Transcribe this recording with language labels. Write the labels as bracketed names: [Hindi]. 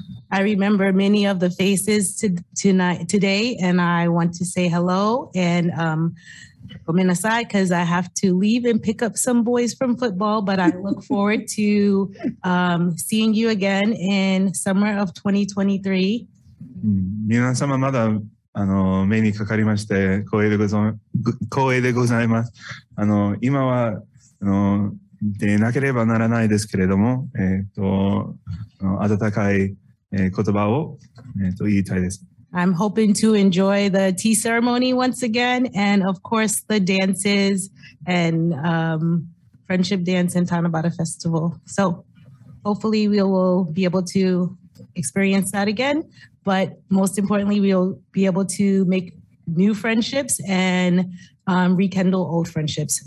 [English] I remember many of the faces today, and I want to say hello and [Japanese] ごめんなさい, [English] because I have to leave and pick up some boys from football, but I look forward to seeing you again in summer of 2023. [Japanese] 皆様まだ目にかかりまして光栄でございます。今は出なければならないですけれども、温かい言葉を言いたいです。 [English] I'm hoping to enjoy the tea ceremony once again, and of course the dances and friendship dance in Tanabata Festival. So hopefully we will be able to experience that again. But most importantly, we'll be able to make new friendships and rekindle old friendships.